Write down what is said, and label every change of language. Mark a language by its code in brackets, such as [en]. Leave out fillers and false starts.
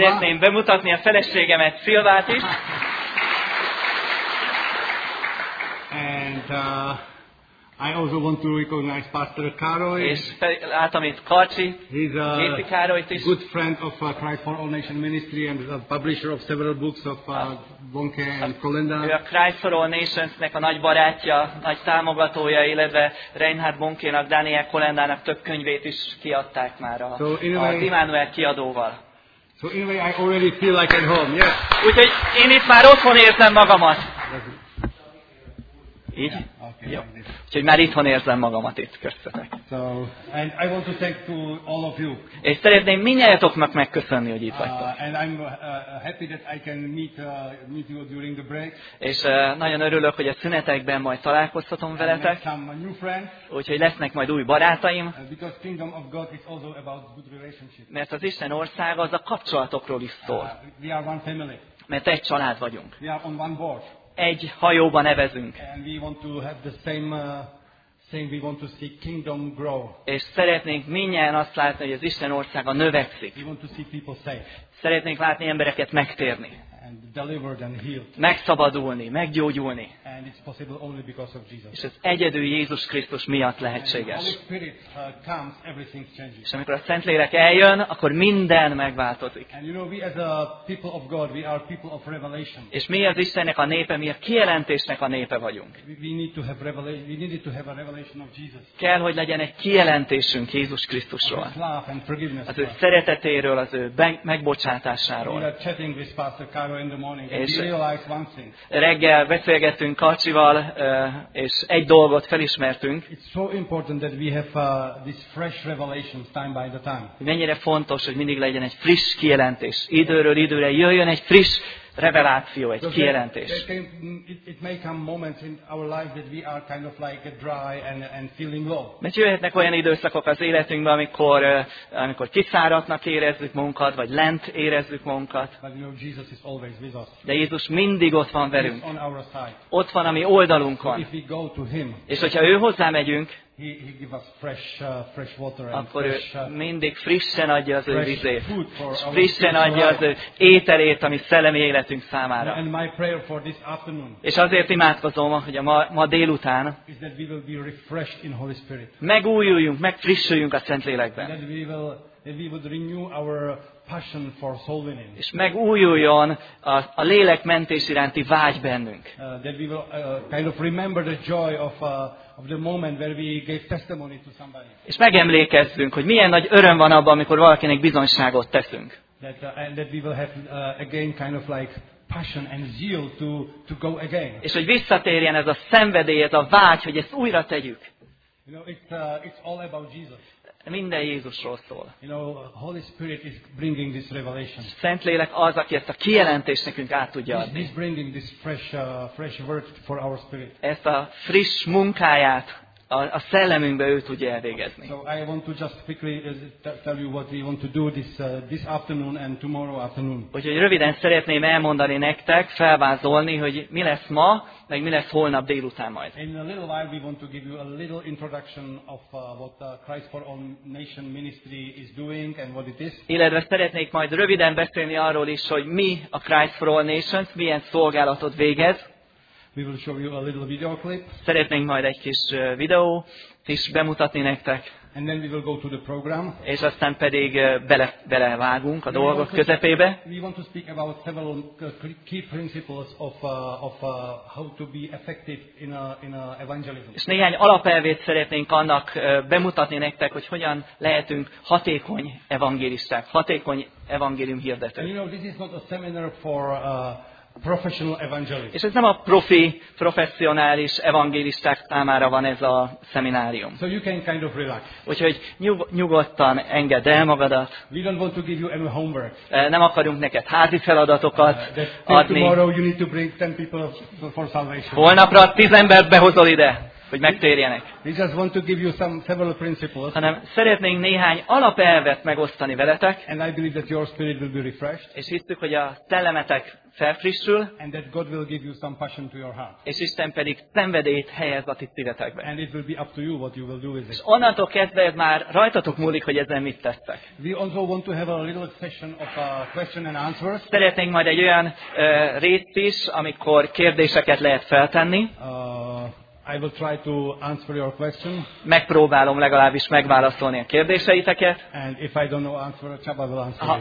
[hu] Szeretném bemutatni a feleségemet, Silvát is. [en] And I also want to recognize Pastor Károly. [hu] És látom itt Karcsi, Kéti Károlyt is. [en] Good friend of Christ for All Nations Ministry and a publisher of several books of Bonke and Kolenda. [hu] Ő a Christ for All Nations-nek a nagy barátja, nagy támogatója, illetve Reinhard Bonkénak, Daniel Kolendának több könyvét is kiadták már az Immanuel kiadóval. [en] So anyway, I already feel like at home, yes. [hu] Úgyhogy én itt már otthon érzem magamat. Így? [en] Yeah, okay, [hu] jó. Úgyhogy már itthon érzem magamat itt, köszönök. [en] So, and I want to thank to all of you. [hu] És szeretném mindjártoknak megköszönni, hogy itt vagytok. [en] And I'm happy that I can meet you during the break. [hu] És nagyon örülök, hogy a szünetekben majd találkozhatom veletek. Úgyhogy lesznek majd új barátaim. [en] Because kingdom of God is also about good relationships. [hu] Mert az Isten országa az a kapcsolatokról is szól. [en] We are one family. [hu] Mert egy család vagyunk. [en] We are on one board. [hu] Egy hajóban nevezünk. [en] And we want to have the same we want to see kingdom grow. [hu] És szeretnénk mindjárt azt látni, hogy az Isten országa növekszik. [en] We want to see people safe. [hu] Szeretnénk látni embereket megtérni. [en] And delivered and healed. [hu] Megszabadulni, meggyógyulni. [en] And it's possible only because of Jesus. [hu] És ez egyedül Jézus Krisztus miatt lehetséges. [en] And when the Holy Spirit comes, everything changes. [hu] És amikor a Szentlélek eljön, akkor minden megváltozik. [en] And you know, we as a people of God, we are people of revelation. [hu] És mi az Istennek a népe, mi a kijelentésnek a népe vagyunk. [en] We need to have a revelation of Jesus. [hu] Kell, hogy legyen egy kijelentésünk Jézus Krisztusról. [en] Of his love and forgiveness. [hu] Az ő szeretetéről, az ő megbocsátásáról. [en] We are chatting with Pastor Caro in the morning, [hu] és [en] we realize one thing. [hu] Reggel beszélgettünk Karcsival, és egy dolgot felismertünk. [en] It's so important that we have these fresh revelations time by the time. [hu] Mennyire fontos, hogy mindig legyen egy friss kijelentés. Időről időre jöjjön egy friss reveláció, egy kijelentés. [en] It may come moments in our life that we are kind of like a dry and feeling low. [hu] Mert jöhetnek olyan időszakok az életünkben, amikor kiszáradtnak érezzük magunkat, vagy lent érezzük magunkat. [en] But you know, Jesus is always with us. [hu] De Jézus mindig ott van velünk. [en] He's on our side. [hu] Ott van a mi oldalunkon. [en] So if we go to him, [hu] és hogyha ő hozzá megyünk, [en] He give us fresh water and [hu] akkor [en] fresh, [hu] mindig frissen adja az ő vizét, frissen adja az ő ételét, ami szellemi életünk számára. [en] And my prayer for this afternoon, [hu] és azért imádkozom, hogy a ma délután [en] is that we will be refreshed in Holy Spirit. [hu] Megújuljunk, megfrissüljünk a Szentlélekben. [en] And we would renew our passion for soul winning. [hu] És megújuljon a lélek mentés iránti vágy bennünk. [en] That we will kind of remember the joy of the moment where we gave testimony to somebody. [hu] És megemlékezzünk, hogy milyen nagy öröm van abban, amikor valakinek bizonyságot teszünk. [en] That we will have again kind of like passion and zeal to go again. [hu] És hogy visszatérjen ez a szenvedély, ez a vágy, hogy ezt újra tegyük. [en] You know, it's all about Jesus. [hu] Minden Jézusról szól. [en] You know, Holy Spirit is bringing this revelation. [hu] Szentlélek az, aki ezt a kijelentést nekünk át tudja adni. [en] He's bringing this fresh work for our spirit. [hu] Ezt a friss munkáját a szellemünkbe ő tudja elvégezni. [en] So I want to just quickly tell you what we want to do this afternoon and tomorrow afternoon. [hu] Úgyhogy röviden szeretném elmondani nektek, felvázolni, hogy mi lesz ma, meg mi lesz holnap délután majd. [en] In a little while we want to give you a little introduction of what Christ for All Nations Ministry is doing and what it is. [hu] Illetve szeretnék majd röviden beszélni arról is, hogy mi a Christ for All Nations, milyen szolgálatot végez. [en] We will show you a little video clip. [hu] Szeretnénk majd egy kis videót is bemutatni nektek. [en] And then we will go to the program. [hu] És aztán pedig belevágunk a dolgok közepébe. [en] We want to speak about several key principles of how to be effective in a evangelism. [hu] És néhány alapelvét szeretnénk annak bemutatni nektek, hogy hogyan lehetünk hatékony evangélisták, hatékony evangélium hirdetők. [en] You know, this is not a seminar for professional evangelists. [hu] És ez nem a profi, professzionális evangélisták számára van ez a szeminárium. [en] So you can kind of relax. [hu] Úgyhogy nyugodtan engedd el magadat. [en] We don't want to give you any homework. [hu] Nem akarunk neked házi feladatokat adni. [en] Tomorrow you need to bring 10 people for salvation. [hu] Holnapra 10 embert behozol ide, hogy megtérjenek. [en] We just want to give you some several principles. [hu] Hanem szeretnénk néhány alapelvet megosztani veletek. [en] And I believe that your spirit will be refreshed. [hu] És hiszük, hogy a szellemetek felfrissül, [en] and that God will give you some passion to your heart. [hu] És Isten pedig szenvedélyt helyez a ti szívetekbe. [en] And it will be up to you what you will do with it. [hu] És onnantól kezdve már rajtatok múlik, hogy ezzel mit tettek. [en] We also want to have a little session of question and answers. [hu] Szeretnénk majd egy olyan részt is, amikor kérdéseket lehet feltenni. [en] I will try to answer your question. [hu] Megpróbálom legalábbis megválaszolni a kérdéseiteket. [en] And if I don't know answer, Csaba will answer.